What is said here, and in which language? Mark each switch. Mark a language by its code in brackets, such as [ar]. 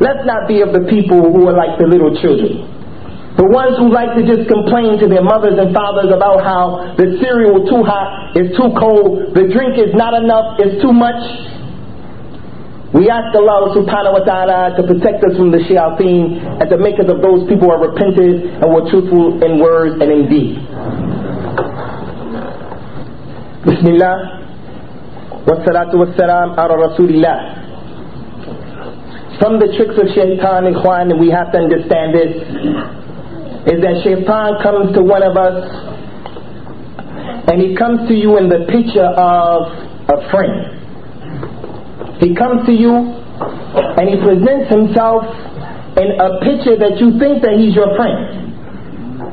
[en] Let's not be of the people who are like the little children. The ones who like to just complain to their mothers and fathers about how the cereal is too hot, it's too cold, the drink is not enough, it's too much. We ask Allah subhanahu wa ta'ala to protect us from the shayateen and to make us of those people who are repentant and were truthful in words and in deed. Bismillah. [ar] والصلاة والسلام على رسول الله. [en] From the tricks of shaitan, ikhwan, we have to understand this, is that shaitan comes to one of us and he comes to you in the picture of a friend. He comes to you and he presents himself in a picture that you think that he's your friend.